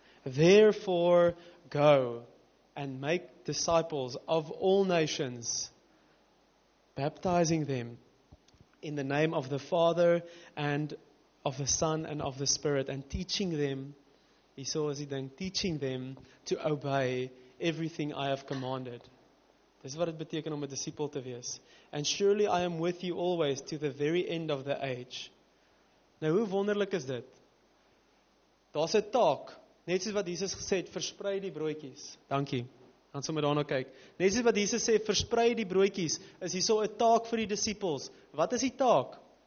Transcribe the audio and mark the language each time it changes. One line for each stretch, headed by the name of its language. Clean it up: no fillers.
English: Therefore, go and make disciples of all nations, baptizing them in the name of the Father and of the Son and of the Spirit, and teaching them, he saw as he then, teaching them to obey everything I have commanded.
Afrikaans: Dis wat het beteken om 'n disipel te wees.
English: And surely I am with you always to the very end of the age.
Afrikaans: Nou, hoe wonderlik is dit? Daar's 'n taak, net soos wat Jesus gesê het, versprei die broodjies. Dankie. Dan sal my daarna kyk. Net soos wat Jesus sê, versprei die broodjies, is hierso 'n taak vir die disippels. Wat is die taak?